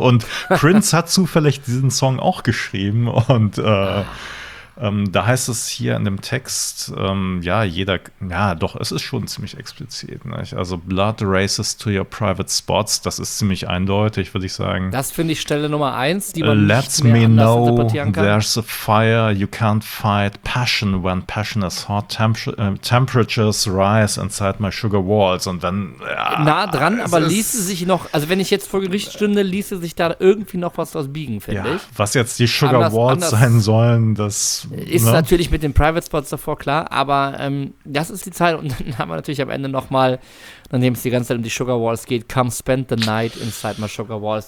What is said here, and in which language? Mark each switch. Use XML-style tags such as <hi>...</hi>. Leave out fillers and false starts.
<de>Und Prince hat zufällig diesen Song auch geschrieben und da heißt es hier in dem Text, es ist schon ziemlich explizit. Nicht? Also</de> <en>Blood races to your private spots,</en> <de>das ist ziemlich eindeutig, würde ich sagen. Das finde ich Stelle Nummer 1, die man nicht mehr anders interpretieren kann.</de> <en>Let me know there's a fire, you can't fight passion when passion is hot, temperatures rise inside my sugar walls.</en> <de>Und dann, ja, nah dran, aber ließe sich noch, also wenn ich jetzt vor Gericht stünde, ließe sich da irgendwie noch was draus biegen, finde ich. Was jetzt die Sugar Walls sein sollen, das ist natürlich mit den Private Spots davor klar, aber das ist die Zeit und dann haben wir natürlich am Ende nochmal, nachdem es die ganze Zeit um die Sugar Walls geht,</de> <en>come spend the night inside my Sugar Walls.</en>